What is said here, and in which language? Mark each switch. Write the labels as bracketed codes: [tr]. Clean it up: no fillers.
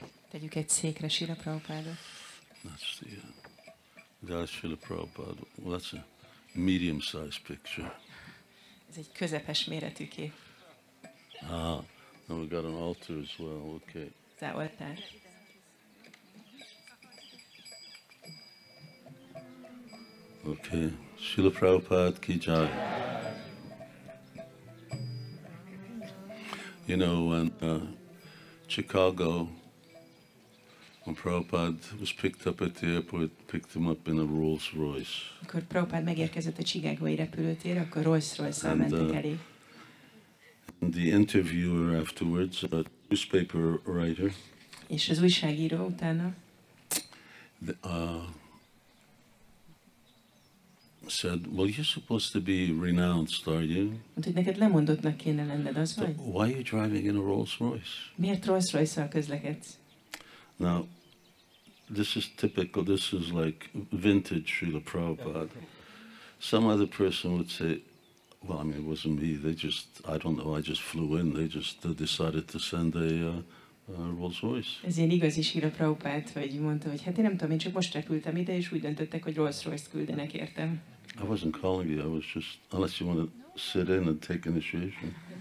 [hu] Tegyük egy székre Śrīla Prabhupādot. [en] That's the that's Śrīla Prabhupāda. Well, that's a medium-sized picture. [hu] Ez egy közepes méretű kép. [en] Ah, and we got an altar as well. Okay. Is that what that? Okay, Śrīla Prabhupāda ki jai. You know, when Chicago, when Prabhupāda was picked up at the airport, picked him up in a Rolls Royce. [hu] Amikor Prabhupāda megérkezett a Chicagói repülőtér, akkor Rolls Royce-szal mentek elé. [en] And the interviewer afterwards, a newspaper writer. [hu] És az újságíró utána. [en] Said, well, you're supposed to be renounced, are you? Why are you driving in a Rolls Royce? [hu] Miért Rolls Royce-szal közlekedsz? [en] Now, this is typical, this is like vintage Śrīla Prabhupāda. Some other person would say, well, I mean, it wasn't me, I just flew in, they just decided to send Rolls Royce. [hu] Ez ilyen igazi Śrīla Prabhupāda, vagy mondta, hogy hát én nem tudom, én csak most repültem ide, és úgy döntöttek, hogy Rolls Royce küldenek értem. [en] I wasn't calling you, I was just, unless you want to sit in and take initiation.